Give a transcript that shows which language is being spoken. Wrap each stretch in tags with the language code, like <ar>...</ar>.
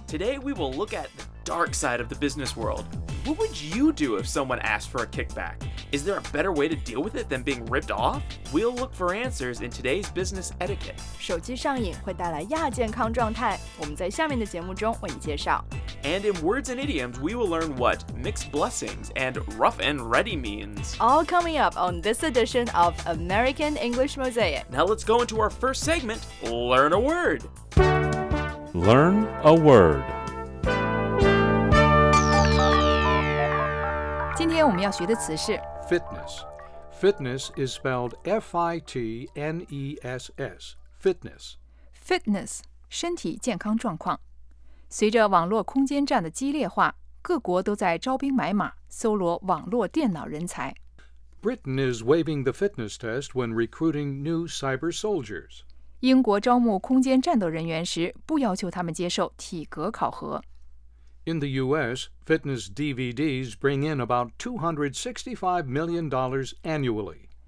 <en>Today we will look at the dark side of the business world. What would you do if someone asked for a kickback? Is there a better way to deal with it than being ripped off? We'll look for answers in today's business etiquette.</en> <zh>手机上瘾会带来亚健康状态，我们在下面的节目中为你介绍。</zh> <en>And in words and idioms, we will learn what mixed blessings and rough and ready means. All coming up on this edition of American English Mosaic. Now let's go into our first segment, Learn a Word. Learn a Word.</en> <zh>今天我们要学的词是</zh> <en>Fitness. Fitness is spelled F-I-T-N-E-S-S. Fitness.</en> <zh>Fitness, 身体健康状况。随着网络空间站的激烈化，各国都在招兵买马，搜罗网络电脑人才。</zh> <en>Britain is waiving the fitness test when recruiting new cyber soldiers.</en> <zh>英国招募空间战斗人员时，不要求他们接受体格考核。</zh> <en>In the U.S., fitness DVDs bring in about $265 million annually.</en>